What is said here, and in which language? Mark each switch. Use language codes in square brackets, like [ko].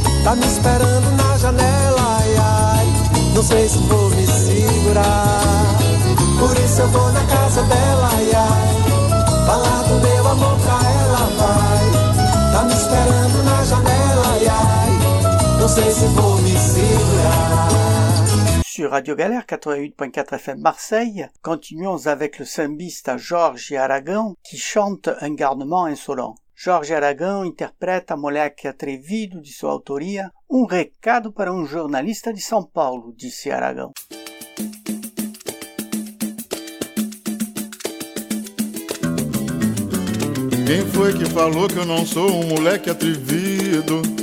[pt] Tá me esperando na janela, ai, ai, não sei se vou me segurar. Por isso eu vou na casa dela, ai, ai, falar do meu amor pra ela, vai. Tá me esperando na janela, ai, ai, não sei se vou me segurar. [fr] Sur Radio Galère 88.4 FM Marseille, continuons avec le sambiste Jorge Aragão qui chante un garnement insolent. [pt] Jorge Aragão [fr] interprète à [pt] Moleque Atrevido de sua autoria recado para jornaliste de São Paulo, disse Aragão. Quem foi que falou que eu não sou moleque atrevido?